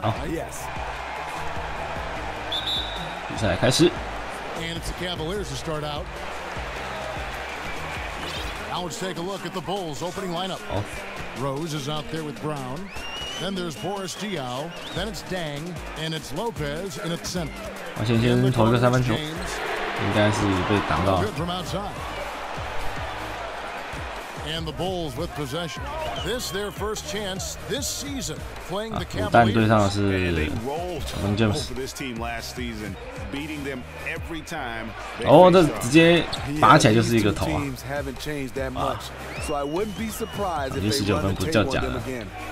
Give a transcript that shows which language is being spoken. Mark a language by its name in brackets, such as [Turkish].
[Chinese] 好，比赛开始。 [English] And it's the Cavaliers to start out. Now let's take a look at the Bulls opening lineup. Rose is out there with Brown. Then there's Boris Diaw, then it's Dang, and it's Lopez in its center. [Chinese] 我先投一个三分球，应该是被挡到了。 [English] And the Bulls with possession. This their first chance this season playing the Cavaliers. [Chinese] 但对上的是 [English] LeBron James. For this team last season, beating them every time. [Chinese] 哦，这直接拔起来就是一个头啊！ [English] So I wouldn't be surprised if they run the table with them again.